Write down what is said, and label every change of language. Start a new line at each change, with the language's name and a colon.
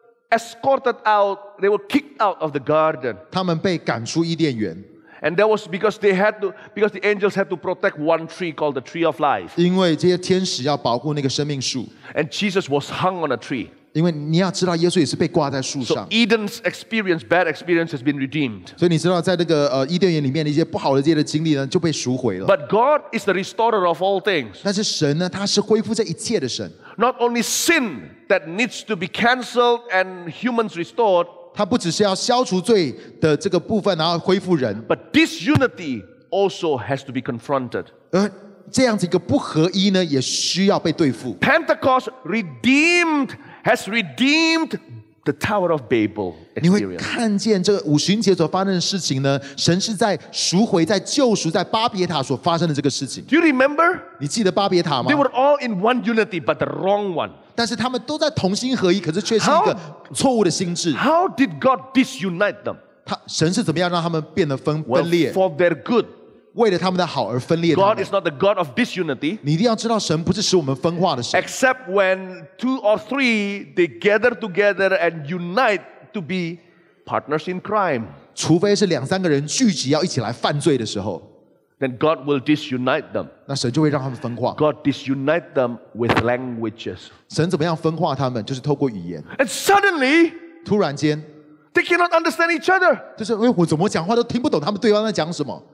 English: Escorted out, they were kicked out of the garden.
Chinese: 他们被赶出伊甸园。
English: And that was because they had to, because the angels had to protect one tree called the tree of life.
Chinese: 因为这些天使要保护那个生命树。
English: And Jesus was hung on a tree.
Chinese: 因为你要知道，耶稣也是被挂在树上。
English: So Eden's experience, bad experience, has been redeemed.
Chinese: 所以你知道，在那个伊甸园里面的一些不好的这些的经历呢，就被赎回了。
English: But God is the restorer of all things.
Chinese: 但是神呢，他是恢复这一切的神。
English: Not only sin.That needs to be cancelled and humans restored.
Chinese: 他不只是要消除罪的这个部分，然后恢复人。
English: But disunity also has to be confronted.
Chinese: 这样子一个不合一呢，也需要被对付。
English: Pentecost redeemed has redeemed the Tower of Babel experience.
Chinese: 你会看见这个五旬节所发生的事情呢？神是在赎回、在救赎、在巴别塔所发生的这个事情。
English: Do you remember?
Chinese: 你记得巴别塔吗
English: ？They were all in one unity, but the wrong one.
Chinese: 但是他们都在同心合一，可是却是一个错误的心智。
English: How did God disunite them?
Chinese: 神是怎么样让他们变得分裂
English: ？Well, for their good.
Chinese: 为了他们的好而分裂他们。
English: God is not the God of disunity.
Chinese: 你一定要知道，神不是使我们分化的神。
English: Except when two or three they gather together and unite to be partners in crime.
Chinese: 除非是两三个人聚集要一起来犯罪的时候。
English: Then God will disunite them.
Chinese: 那神就会让他们分化。
English: God disunite them with languages.
Chinese: 神怎么样分化他们？就是透过语言。
English: And suddenly,
Chinese: 突然间。
English: They cannot understand each other.
Chinese: 就是我怎么讲话都听不懂他们对方在讲什么。